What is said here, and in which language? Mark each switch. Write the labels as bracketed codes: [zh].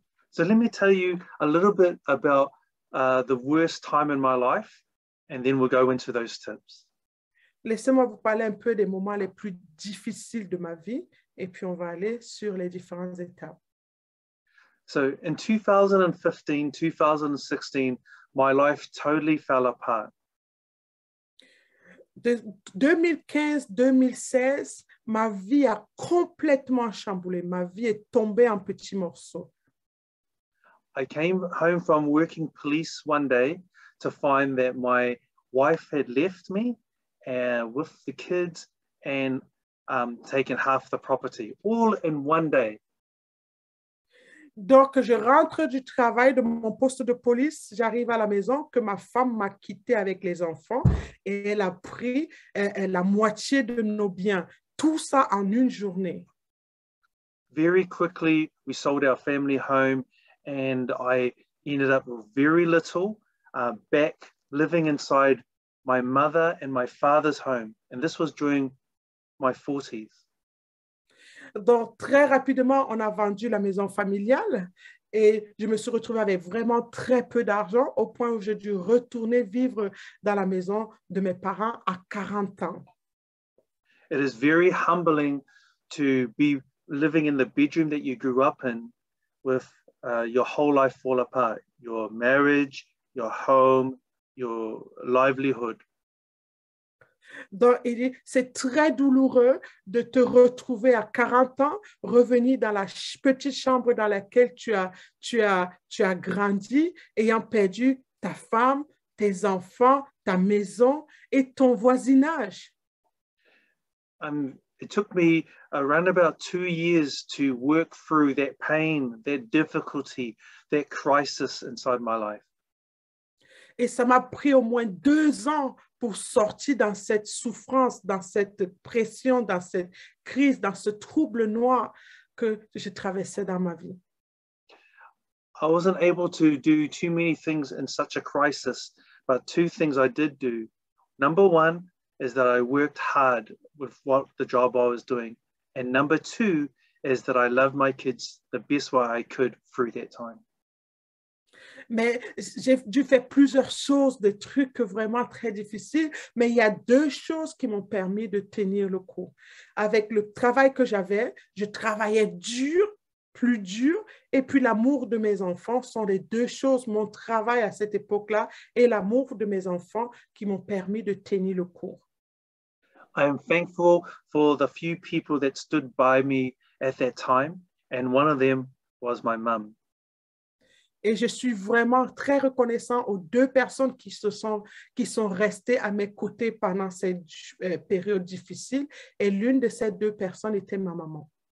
[en] So let me tell you a little bit about the worst time in my life and then we'll go into those tips. [fr] Laissez-moi vous parler un peu des moments les plus difficiles de ma vie et puis on va aller sur les différentes étapes. [en] So in 2015-2016, my life totally fell apart. [fr] De 2015-2016, ma vie a complètement chamboulé. Ma vie est tombée en petits morceaux. [en] I came home from working police one day to find that my wife had left me. With the kids and taking half the property, all in one day. [fr] Donc, je rentre du travail de mon poste de police, j'arrive à la maison, que ma femme m'a quitté avec les enfants et elle a pris la moitié de nos biens. Tout ça en une journée. [en] Very quickly, we sold our family home and I ended up with very little back living inside my mother and my father's home. And this was during my 40s. [fr] Donc, très rapidement, on a vendu la maison familiale et je me suis retrouvée avec vraiment très peu d'argent au point où j'ai dû retourner vivre dans la maison de mes parents à 40 ans. [en] It is very humbling to be living in the bedroom that you grew up in with your whole life fall apart, your marriage, your home, your livelihood. [fr] Donc, il dit, c'est très douloureux de te retrouver à 40 ans, revenir dans la petite chambre dans laquelle tu as grandi, ayant perdu ta femme, tes enfants, ta maison et ton voisinage. [en] It took me around about 2 years to work through that pain, that difficulty, that crisis inside my life. [fr] Et ça m'a pris au moins 2 ans pour sortir dans cette souffrance, dans cette pression, dans cette crise, dans ce trouble noir que je traversais dans ma vie. [en] I wasn't able to do too many things in such a crisis, but two things I did do. Number one is that I worked hard with what the job I was doing. And number two is that I loved my kids the best way I could through that time. [fr] Mais j'ai dû faire plusieurs choses, des trucs vraiment très difficiles, mais il y a deux choses qui m'ont permis de tenir le coup. Avec le travail que j'avais, je travaillais dur, plus dur, et puis l'amour de mes enfants sont les deux choses, mon travail à cette époque-là et l'amour de mes enfants qui m'ont permis de tenir le coup. [en] I am thankful for the few people that stood by me at that time, and one of them was my mom. [fr] Et je suis vraiment très reconnaissant aux deux personnes qui sont restées à mes côtés pendant cette période difficile. Et l'une de ces deux personnes était ma maman.